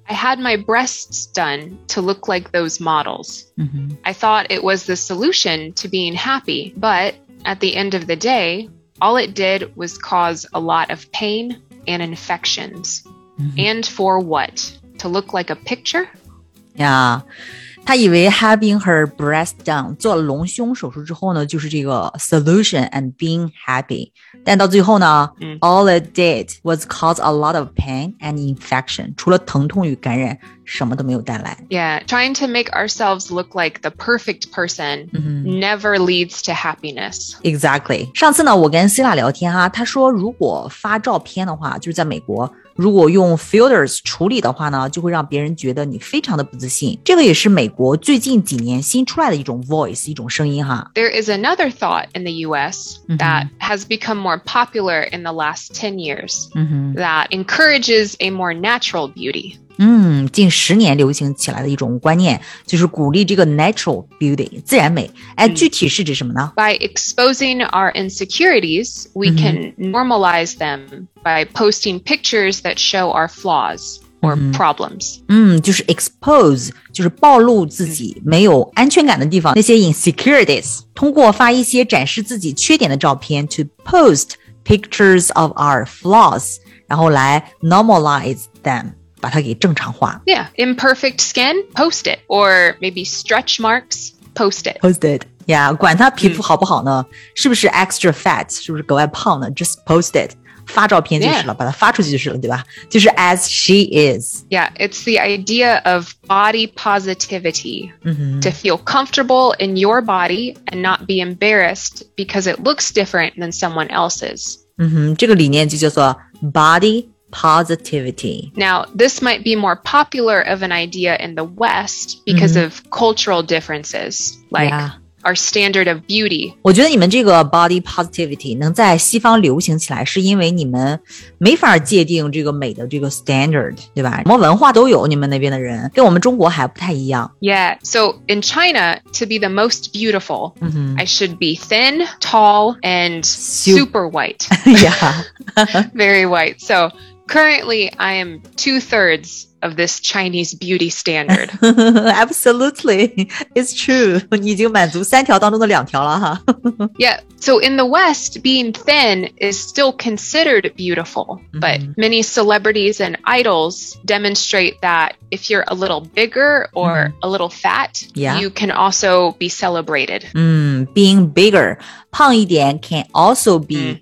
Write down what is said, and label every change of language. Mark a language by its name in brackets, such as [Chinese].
[English] I had my breasts done to look like those models、 mm-hmm. I thought it was the solution to being happy but at the end of the day all it did was cause a lot of pain and infections、 mm-hmm. and for what? To look like a picture? [Chinese] Yeah她以为 [English] having her breast done [Chinese] 做了隆胸手术之后呢就是这个 [English] solution and being happy [Chinese] 但到最后呢、嗯、 [English] all it did was cause a lot of pain and infection [Chinese] 除了疼痛与感染什么都没有带来 [English] Yeah, trying to make ourselves look like the perfect person、 mm-hmm. never leads to happiness [Chinese] Exactly 上次呢我跟希腊聊天哈她说如果发照片的话就是在美国如果用 filters 处理的话呢就会让别人觉得你非常的不自信这个也是美国最近几年新出来的一种 voice 一种声音哈 [English] There is another thought in the US that has become more popular in the last 10 years、 mm-hmm. that encourages a more natural beauty [Chinese] 嗯，近十年流行起来的一种观念，就是鼓励这个 natural beauty 自然美。哎，具体是指什么呢？ [English] By exposing our insecurities, we can normalize them by posting pictures that show our flaws or problems. [Chinese] 嗯，就是 expose 就是暴露自己没有安全感的地方，那些 insecurities 通过发一些展示自己缺点的照片 [English] to post pictures of our flaws [Chinese] 然后来 [English] normalize them [Chinese] 把它给正常化 [English] Yeah, imperfect skin, post it Or maybe stretch marks posted. Posted. [Chinese] Yeah, 管他皮肤好不好呢、嗯、是不是 [English] extra fat, [Chinese] 是不是格外胖呢 [English] just posted, [Chinese] 发照片就是了、yeah. 把它发出去就是了对吧就是 [English] as she is. Yeah, it's the idea of body positivity,、 mm-hmm. to feel comfortable in your body and not be embarrassed because it looks different than someone else's.、 Mm-hmm. [Chinese] 这个理念就叫做 body positivity. [English] Now, this might be more popular of an idea in the West because、mm-hmm. of cultural differences, like...、 Yeah. Our standard of beauty. [Chinese] 我觉得你们这个 body positivity 能在西方流行起来是因为你们没法界定这个美的这个 standard, 对吧？什么文化都有你们那边的人跟我们中国还不太一样。 [English] Yeah, so in China, to be the most beautiful,、 mm-hmm. I should be thin, tall, and super white. yeah. Very white. So currently, I am 2/3. Of this Chinese beauty standard. Absolutely. It's true. [Chinese] 你已经满足三条当中的两条了哈。 [English] Yeah. So in the West, being thin is still considered beautiful. But、mm-hmm. many celebrities and idols demonstrate that if you're a little bigger or、mm-hmm. a little fat,、 yeah. you can also be celebrated.、 Mm, being bigger, [Chinese] 胖一点 [English] can also be、mm.